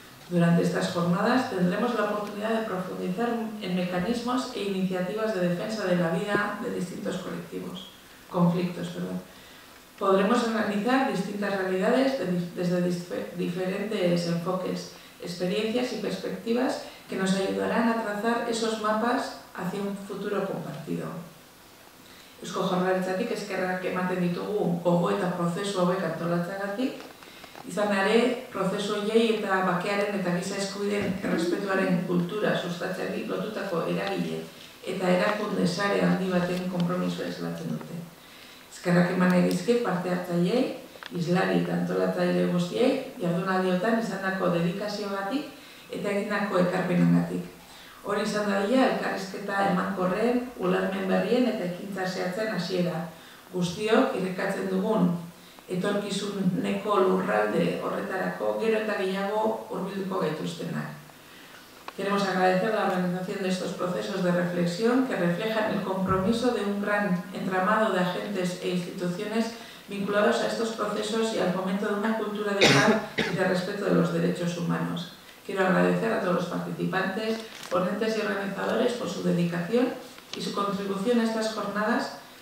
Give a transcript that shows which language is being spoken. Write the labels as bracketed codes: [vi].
[es] Durante estas jornadas tendremos la oportunidad de profundizar en mecanismos e iniciativas de defensa de la vida de distintos conflictos. Podremos analizar distintas realidades desde diferentes enfoques, experiencias y perspectivas que nos ayudarán a trazar esos mapas hacia un futuro compartido. [eu] Eusko Jaurlaritzatik eskerrak ematen ditugu gogo eta prozesu hauek antolatzeagatik, izan ere prozesu horiei eta bakearen eta giza eskubideen errespetuaren kultura sustatzeari lotutako eragile eta erakunde sare handi baten konpromisoa islatzen dute. Eskerrak eman nahi dizkiet parte hartzaileei, islari eta antolatzaile guztiei, jardunaldiotan izandako dedikazioagatik eta egindako ekarpenengatik. Hori izan dadila elkarrizketa emankorren, ulermen berrien eta ekintza zehatzen hasiera. Guztiok irekatzen dugun etorkizuneko lurralde horretarako gero eta gehiago hurbilduko gaituztenak. [es] Queremos agradecer la organización de estos procesos de reflexión que reflejan el compromiso de un gran entramado de agentes e instituciones vinculados a estos procesos y al fomento de una cultura de paz y de respeto de los derechos humanos. Quiero agradecer a todos los participantes, ponentes y organizadores por su dedicación y su contribución a estas jornadas.